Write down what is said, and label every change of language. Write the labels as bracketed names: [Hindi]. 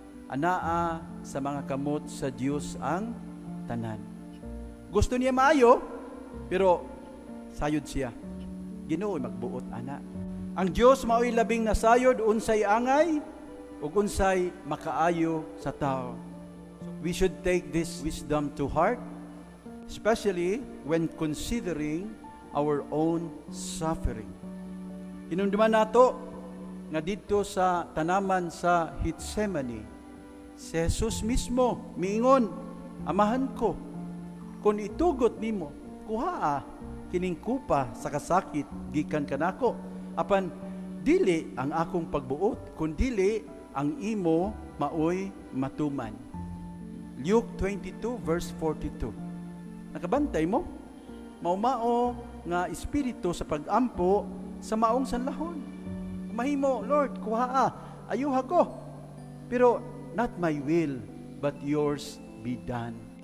[Cebuano] anaa sa mga kamot sa Dios ang tanan. Gusto niya maayo, pero sayod siya. Ginoo'y magbuot ana. Ang Dios mao'y labing na sayod, unsay angay, ug unsay makaayo sa tao. [English] So we should take this wisdom to heart, especially when considering our own suffering. [Cebuano] Hinumduman nato nga dito sa tanaman sa Gethsemane, si Jesus mismo miingon, "Amahan ko, kung itugot nimo, kuhaa kining kupa sa kasakit gikan kanako. Apan dili ang akong pagbuot, kun dili ang imo maoy matuman." Luke 22 verse 42. Nakabantay mo? Maumao nga espiritu sa pag-ampo sa maong sanlahon. Mahimo, Lord, kuhaa, ayuha ko. [English] Pero not my will, but yours be done.